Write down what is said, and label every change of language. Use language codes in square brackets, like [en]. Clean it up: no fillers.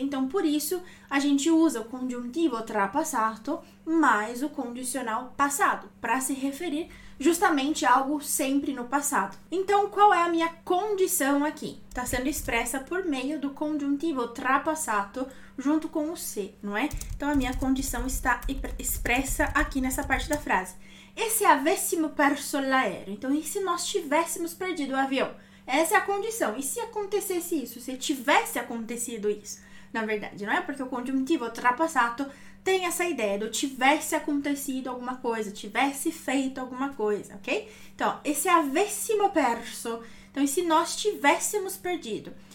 [pt] Então por isso a gente usa o conjuntivo tra passato mais o condicional passado para se referir justamente algo sempre no passado. Então, qual é a minha condição aqui? Está sendo expressa por meio do conjuntivo trapassato junto com o se, não é? Então, a minha condição está expressa aqui nessa parte da frase. [it] E se avessimo perso l'aereo? [pt] Então, e se nós tivéssemos perdido o avião? Essa é a condição. E se acontecesse isso? Se tivesse acontecido isso? Na verdade, não é? Porque o conjuntivo trapassato tem essa ideia do tivesse acontecido alguma coisa, tivesse feito alguma coisa, ok? Então, [it] e se avessimo perso? [pt] Então, e se nós tivéssemos perdido?